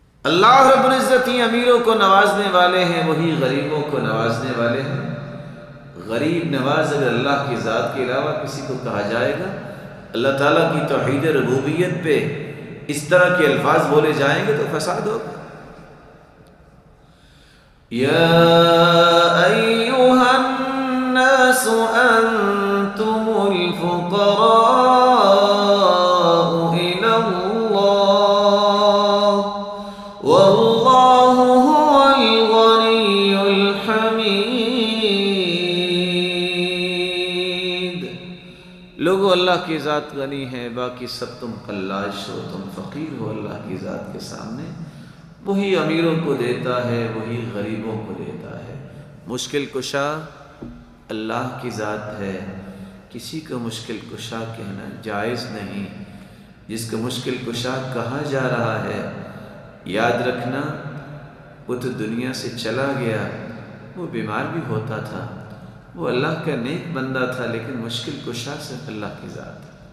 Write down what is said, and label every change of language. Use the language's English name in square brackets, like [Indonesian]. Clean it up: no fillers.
[Urdu] اللہ رب العزت ہی امیروں کو نوازنے والے ہیں، وہی غریبوں کو نوازنے والے ہیں. غریب نواز اگر اللہ کی ذات کے علاوہ کسی کو کہا جائے گا، اللہ تعالیٰ کی توحید ربوبیت پہ اس طرح کے الفاظ بولے جائیں گے تو فساد ہوگا. [Arabic] يا أيها الناس أنتم الفقراء إلى الله والله هو الغني الحميد. [Urdu] لوگو اللہ کی ذات غنی ہے، باقی سب تم قلاش ہو، تم فقیر ہو اللہ کی ذات کے سامنے. وہی امیروں کو دیتا ہے، وہی غریبوں کو دیتا ہے، مشکل کشا اللہ کی ذات ہے، کسی کو مشکل کشا کہنا جائز نہیں۔ جس کو مشکل کشا کہا جا رہا ہے، یاد رکھنا وہ تو دنیا سے چلا گیا، وہ بیمار بھی ہوتا تھا، وہ اللہ کا نیک بندہ تھا، لیکن مشکل کشا صرف اللہ کی ذات۔